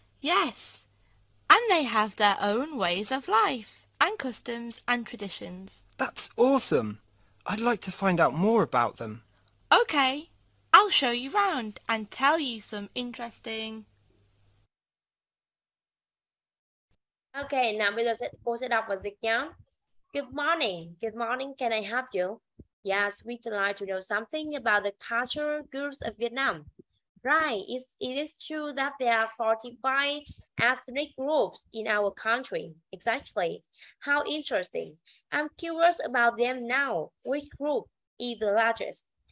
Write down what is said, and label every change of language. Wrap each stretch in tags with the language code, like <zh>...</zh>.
<en>Yes. And they have their own ways of life and customs and traditions. That's awesome. I'd like to find out more about them. Okay. I'll show you round and tell you some interesting... Okay, now</en> <vi>bây giờ cô sẽ đọc và dịch nhá.</vi> <en>Good morning. Good morning. Can I help you? Yes, we'd like to know something about the cultural groups of Vietnam. Right, it is true that there are 45 ethnic groups in our country. Exactly. How interesting. I'm curious about them now. Which group is the largest?</en>